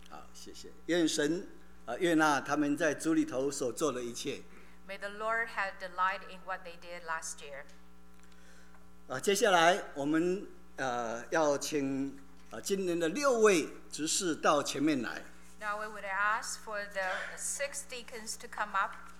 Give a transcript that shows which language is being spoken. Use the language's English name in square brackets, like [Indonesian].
[English] Show them our thanks and our encouragement to them. May the Lord have delight in what they did last year. [Chinese] 接下来我们要请今年的六位执事到前面来。 [English] Now we would ask for the six deacons to come up.